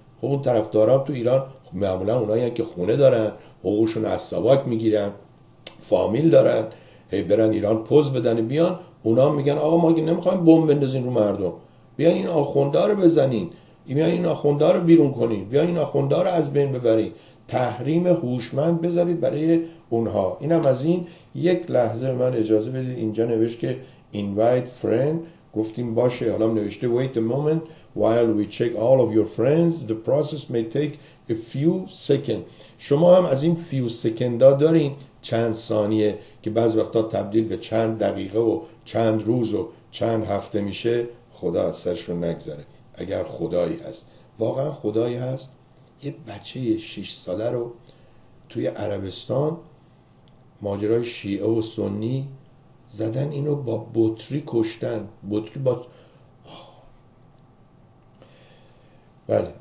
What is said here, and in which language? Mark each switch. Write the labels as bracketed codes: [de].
[fa] خب اون طرفدارا تو ایران معمولا اونایی هستن که خونه دارن، حقوقشون از ساواک میگیرن، فامیل دارن، هی برن ایران پوز بدن بیان، اونا میگن آقا ما نمیخوایم بمب بندازین رو مردم، بیان این آخونده رو بزنین، بیان این آخونده رو بیرون کنین، بیان این آخونده رو از بین ببرین، تحریم هوشمند بذارید برای اونها. اینم از این. یک لحظه من اجازه بدید، اینجا نوشت که [en] invite friend، [fa] گفتیم باشه، حالا نوشته [en] wait a moment while we check all of your friends, the process may take a few seconds. [fa] شما هم از این [en] few seconds [fa] دارین، چند ثانیه که بعض وقتا تبدیل به چند دقیقه و چند روز و چند هفته میشه؟ خدا از سرشو نگذره اگر خدایی هست. واقعا خدایی هست؟ یه بچه 6 ساله رو توی عربستان ماجرای شیعه و سنی زدن، اینو با بطری کشتن، بطری با بله.